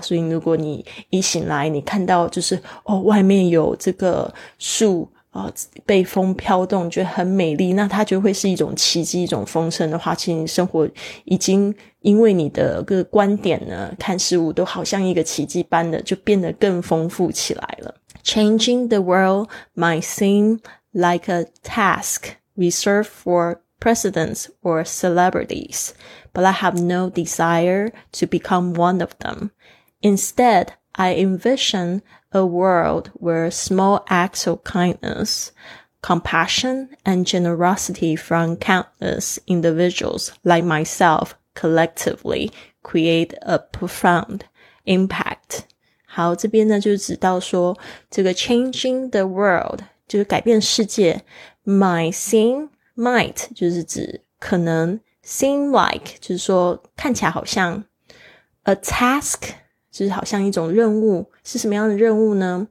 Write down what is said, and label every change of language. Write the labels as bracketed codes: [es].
[zh] 所以如果你一醒来，你看到就是哦，外面有这个树被风飘动，觉得很美丽，那它就会是一种奇迹，一种丰盛的话，其实你生活已经因为你的各个观点呢，看事物都好像一个奇迹般的，就变得更丰富起来了。 [en] Changing the world might seem like a task reserved for presidents or celebrities, but I have no desire to become one of them. Instead, I envision a world where small acts of kindness, compassion, and generosity from countless individuals like myself collectively create a profound impact. [zh] 好，这边呢就指到说这个 changing the world 就是改变世界， might 就是指可能， seem like 就是说看起来好像， a task 就是好像一种任务，是什么样的任务呢？